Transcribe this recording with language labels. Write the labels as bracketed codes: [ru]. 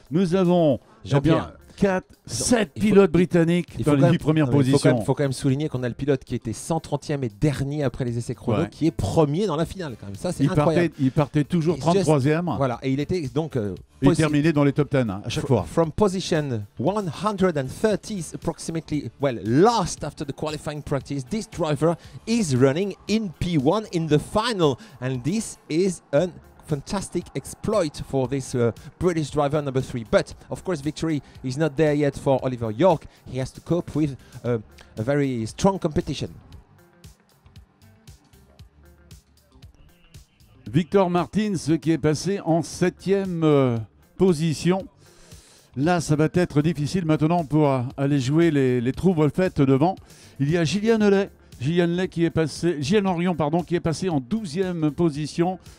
[fr] Nous avons 7 pilotes britanniques dans les 8 premières positions. Il faut quand même souligner qu'on a le pilote qui était 130e et dernier après les essais chrono, ouais, qui est premier dans la finale. Quand même. Ça, c'est incroyable. Il partait toujours 33e. Voilà, et il était donc... Il terminait dans les top 10 à chaque fois. [en] From position 130 approximately, well, last after the qualifying practice, this driver is running in P1 in the final. And this is an fantastic exploit for this British driver number 3. But of course, victory is not there yet for Oliver York. He has to cope with a very strong competition. [fr] Victor Martins, qui est passé en 7e position. Là, ça va être difficile maintenant pour aller jouer les trouble-fêtes devant. Il y a Gillian Orion, qui est passé en 12e position.